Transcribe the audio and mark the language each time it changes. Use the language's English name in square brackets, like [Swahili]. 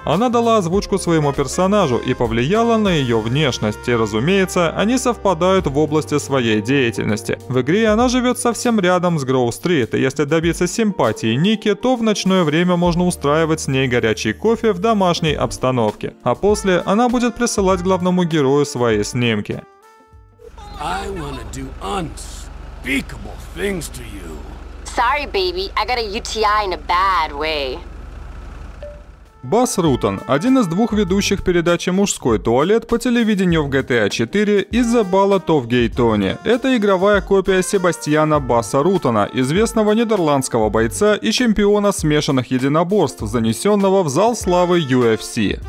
[Russian] Она дала озвучку своему персонажу и повлияла на ее внешность, и, разумеется, они совпадают в области своей деятельности. В игре она живет совсем рядом с Grove Street, и если добиться симпатии Ники, то в ночное время можно устраивать с ней горячий кофе в домашней обстановке. А после она будет присылать главному герою свои снимки. [English] I wanna do unspeakable things to you. Sorry, baby, I got a UTI in a bad way. [Russian] Бас Рутон – один из двух ведущих передачи «Мужской туалет» по телевидению в GTA 4 из The Ballad of Gay Tony. Это игровая копия Себастьяна Баса Рутона, известного нидерландского бойца и чемпиона смешанных единоборств, занесенного в зал славы UFC.